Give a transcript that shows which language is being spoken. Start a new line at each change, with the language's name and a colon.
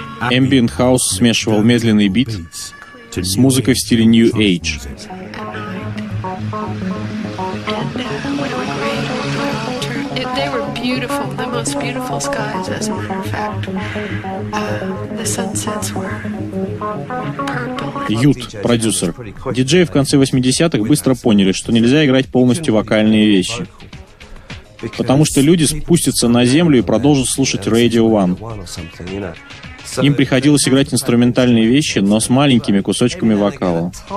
Russian: Ambient House смешивал медленный бит с музыкой в стиле New Age.
English: They were beautiful, the most beautiful skies, as a matter of fact. The sunsets were purple.
Russian: Ют, продюсер. Диджеи в конце 80-х быстро поняли, что нельзя играть полностью вокальные вещи. Потому что люди спустятся на землю и продолжат слушать Radio One. Им приходилось играть инструментальные вещи, но с маленькими кусочками вокала.